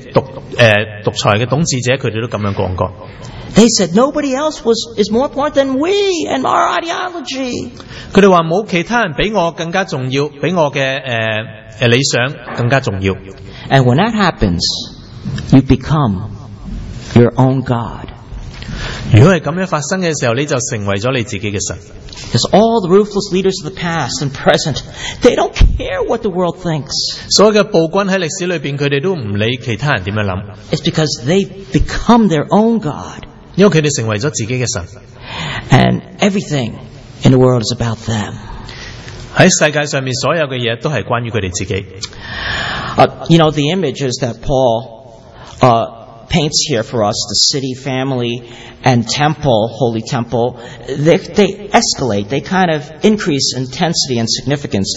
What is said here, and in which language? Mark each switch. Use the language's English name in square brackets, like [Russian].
[Cantonese] 所有嘅暴君，所有嘅統治者，獨裁嘅統治者，佢哋都咁樣講過。 [English] They said nobody else is more important than we and our ideology. [Cantonese] 佢哋話冇其他人比我更加重要，比我嘅理想更加重要。 [English] And when that happens, you become your own god. [Cantonese] 如果係咁樣發生嘅時候，你就成為咗你自己嘅神。 [English] Because all the ruthless leaders of the past and present, they don't care what the world thinks. [Cantonese] 所有嘅暴君喺歷史裏邊，佢哋都唔理其他人點樣諗。 [English] It's because they become their own god. [Cantonese] 因為佢哋成為咗自己嘅神。 [English] And everything in the world is about them. [Cantonese] 喺世界上面所有嘅嘢都係關於佢哋自己。 [English] You know, the images that Paul paints here for us, the city, family, and temple, holy temple, they escalate, they kind of increase intensity and significance.